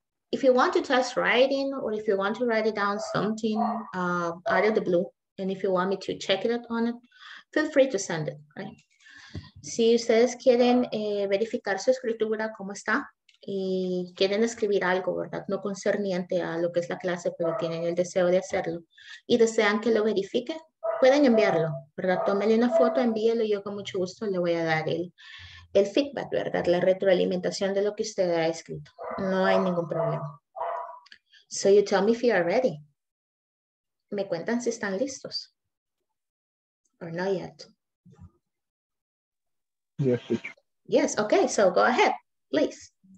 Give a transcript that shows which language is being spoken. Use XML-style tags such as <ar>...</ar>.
<en>If you want to test writing, or if you want to write it down something out of the blue, and if you want me to check it out on it, feel free to send it, right?</en> <es>Si ustedes quieren verificar su escritura, cómo está, y quieren escribir algo, ¿verdad? No concerniente a lo que es la clase, pero tienen el deseo de hacerlo, y desean que lo verifique, pueden enviarlo, ¿verdad? Tómenle una foto, envíelo, y yo con mucho gusto le voy a dar el feedback, ¿verdad? La retroalimentación de lo que usted ha escrito. No hay ningún problema.</es> <en>So you tell me if you are ready.</en> <es>Me cuentan si están listos.</es> <en>Or not yet. Yes, teacher. Yes, okay, so go ahead, please.</en>